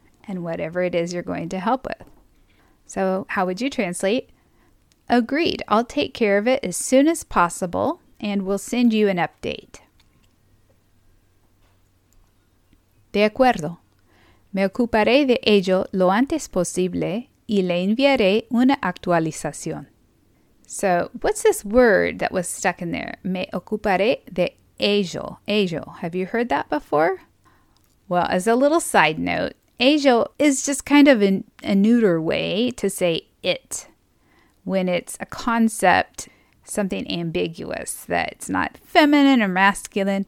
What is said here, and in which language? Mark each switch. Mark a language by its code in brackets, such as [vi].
[en] and whatever it is you're going to help with. So how would you translate? Agreed, I'll take care of it as soon as possible and we'll send you an update. [es] De acuerdo. Me ocuparé de ello lo antes posible y le enviaré una actualización. [en] So, what's this word that was stuck in there? [es] Me ocuparé de ello. Ello. [en] Have you heard that before? Well, as a little side note, ello is just kind of a neuter way to say it when it's a concept, something ambiguous that's not feminine or masculine.